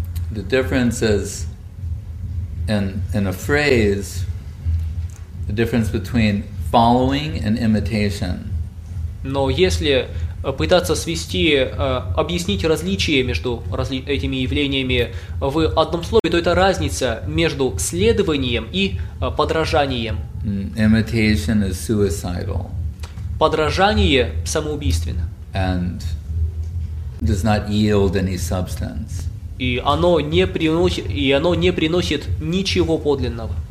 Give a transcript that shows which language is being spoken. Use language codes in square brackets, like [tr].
[en] The difference is in a phrase, the difference between following and imitation. [ru] Но если пытаться свести, объяснить различие между этими явлениями в одном слове, то это разница между следованием и подражанием. [en] Imitation is suicidal. [ru] Подражание самоубийственно. [en] And does not yield any substance. [ru] И оно не приносит, и оно не приносит ничего подлинного.